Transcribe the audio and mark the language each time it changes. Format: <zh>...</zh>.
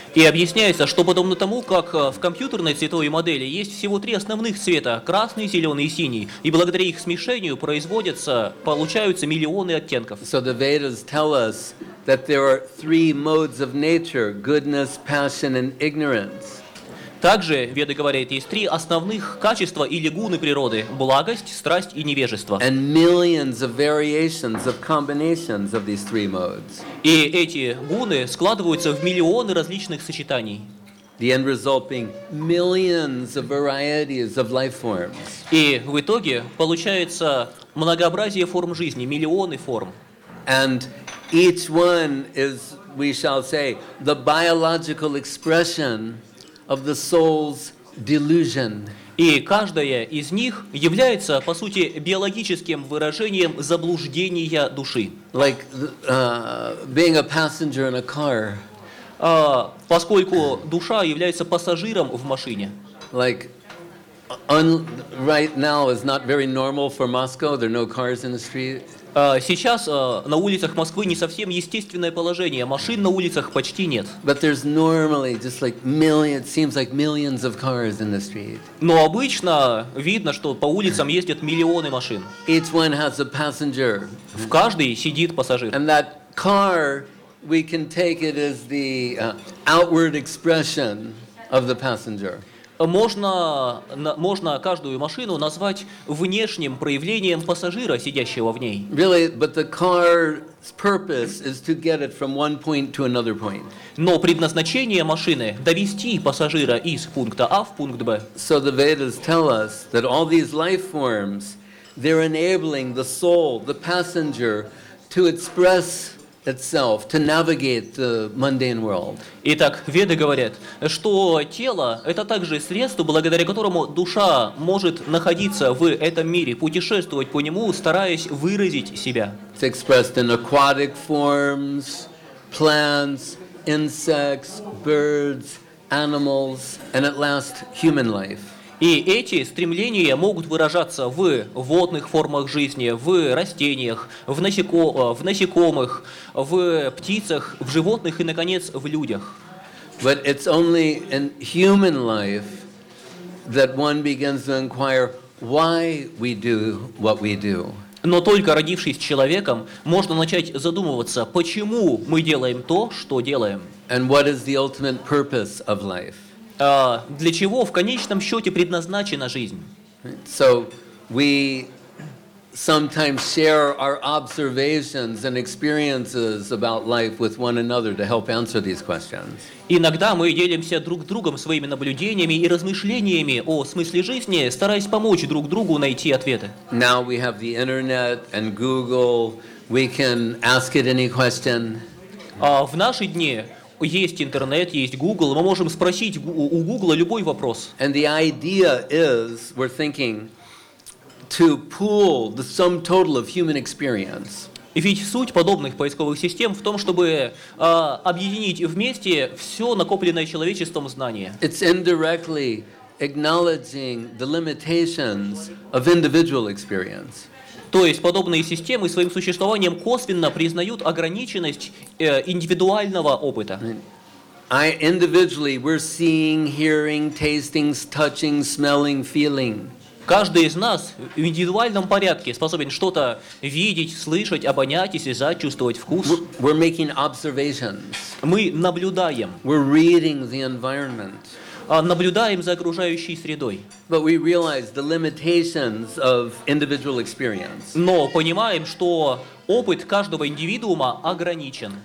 <ru>И объясняется, что подобно тому, как в компьютерной цветовой модели есть всего три основных цвета – красный, зеленый и синий, и благодаря их смешению получаются миллионы оттенков.</ru> <en>So the Vedas tell us that there are three modes of nature: goodness, passion, and ignorance.</en> <ru>Также Веды говорят, есть три основных качества или гуны природы: благость, страсть и невежество.</ru> <en>And millions of variations of combinations of these three modes.</en> <ru>И эти гуны складываются в миллионы различных сочетаний.</ru> <en>The end result being millions of varieties of life forms.</en> <ru>И в итоге получается многообразие форм жизни, миллионы форм.</ru> <en>And each one is, we shall say, the biological expression of the soul's delusion.</en> <ru>И каждая из них является, по сути, биологическим выражением заблуждения души.</ru> <en>Like being a passenger in a car.</en> <ru>Поскольку душа является пассажиром в машине.</ru> <en>Like right now is not very normal for Moscow. There are no cars in the street.</en> <ru>Сейчас на улицах Москвы не совсем естественное положение. Машин на улицах почти нет.</ru> <en>But there's normally just like millions, it seems like millions of cars in the street.</en> <ru>Но обычно видно, что по улицам ездят миллионы машин.</ru> <en>Each one has a passenger.</en> <ru>В каждой сидит пассажир.</ru> <en>And that car, we can take it as the outward expression of the passenger.</en> <ru>Можно каждую машину назвать внешним проявлением пассажира, сидящего в ней.</ru> <en>Really, but the car's purpose is to get it from one point to another point.</en> <ru>Но предназначение машины — довести пассажира из пункта А в пункт Б.</ru> <en>So the Vedas tell us that all these life forms, they're enabling the soul, the passenger, to express itself, to navigate the mundane world.</en> <ru>Итак, Веды говорят, что тело — это также средство, благодаря которому душа может находиться в этом мире, путешествовать по нему, стараясь выразить себя.</ru> <en>It's expressed in aquatic forms, plants, insects, birds, animals, and at last human life.</en> <ru>И эти стремления могут выражаться в водных формах жизни, в растениях, в насекомых, в птицах, в животных и, наконец, в людях.</ru> <en>But it's only in human life that one begins to inquire why we do what we do.</en> <ru>Но только родившись человеком, можно начать задумываться, почему мы делаем то, что делаем.</ru> <en>And what is the ultimate purpose of life?</en> <ru>Для чего в конечном счете предназначена жизнь?</ru> <en>So we sometimes share our observations and experiences about life with one another to help answer these questions.</en> <ru>Иногда мы делимся друг с другом своими наблюдениями и размышлениями о смысле жизни, стараясь помочь друг другу найти ответы.</ru> <en>Now we have the internet and Google, we can ask it any question.</en> <ru>В наши дни есть интернет, есть Google, мы можем спросить у Google любой вопрос.</ru> <en>And the idea is, we're thinking, to pool the sum total of human experience.</en> <ru>И ведь суть подобных поисковых систем в том, чтобы объединить вместе все накопленное человечеством знание.</ru> <en>It's indirectly acknowledging the limitations of individual experience.</en> <ru>То есть подобные системы своим существованием косвенно признают ограниченность индивидуального опыта.</ru> <en>We're seeing, hearing, tasting, touching, smelling, feeling.</en> <ru>Каждый из нас в индивидуальном порядке способен что-то видеть, слышать, обонять, осязать, чувствовать вкус.</ru> <en>We're making observations.</en> <ru>Мы наблюдаем.</ru> <en>We're reading the environment.</en> <ru>Наблюдаем за окружающей средой.</ru> <en>But we realize the limitations of individual experience.</en> <ru>Но понимаем, что опыт каждого индивидуума ограничен.</ru>